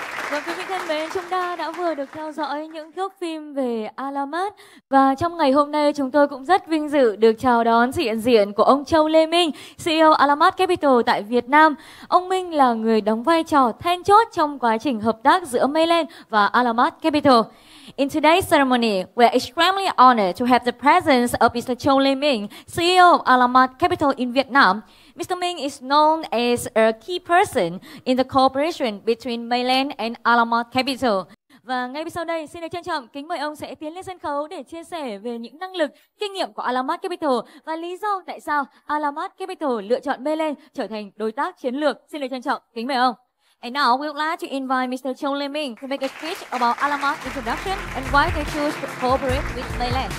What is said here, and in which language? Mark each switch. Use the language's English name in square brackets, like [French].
[Vietnamese] Và quý vị thân mến, chúng ta đã vừa được theo dõi những thước phim về Alamat. Và trong ngày hôm nay, chúng tôi cũng rất vinh dự được chào đón sự hiện diện của ông Châu Lê Minh, CEO Alamat Capital tại Việt Nam. Ông Minh là người đóng vai trò then chốt trong quá trình hợp tác giữa Mayland và Alamat Capital. [English] In today's ceremony, we're extremely honored to have the presence of Mr. Châu Lê Minh, CEO of Alamat Capital in Vietnam. Mr. Minh is known as a key person in the cooperation between Mayland and Alamat Capital. [Vietnamese] Và ngay sau đây, xin được trân trọng kính mời ông sẽ tiến lên sân khấu để chia sẻ về những năng lực, kinh nghiệm của Alamat Capital và lý do tại sao Alamat Capital lựa chọn Mayland trở thành đối tác chiến lược. Xin được trân trọng kính mời ông. [English] And now we would like to invite Mr. Châu Lê Minh to make a speech about Alamat introduction and why they choose to cooperate with Mayland.